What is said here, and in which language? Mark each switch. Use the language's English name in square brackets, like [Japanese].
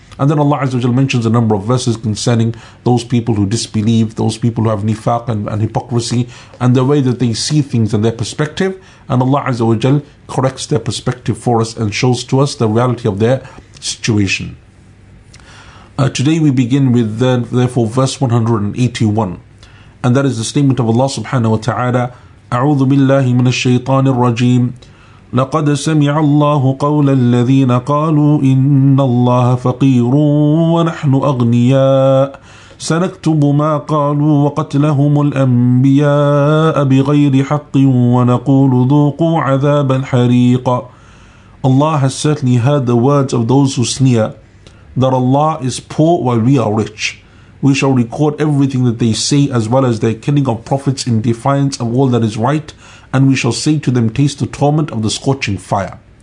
[English] And then Allah azza wa jal mentions a number of verses concerning those people who disbelieve, those people who have nifaq and hypocrisy, and the way that they see things and their perspective. And Allah azza wa jal corrects their perspective for us and shows to us the reality of their situation. Today we begin with therefore verse 181. And that is the statement of Allah subhanahu wa ta'ala. [Arabic] أعوذ بالله من الشيطان الرجيم. لقد سمع الله قول الذين قالوا إن الله فقير ونحن أغنياء سنكتب ما قالوا وقتلهم الأنبياء بغير حق ونقول ذوقوا عذاب الحريق. [English] Allah has certainly heard the words of those who sneer that Allah is poor while we are rich. We shall record everything that they say, as well as their killing of prophets in defiance of all that is right, and we shall say to them, taste the torment of the scorching fire.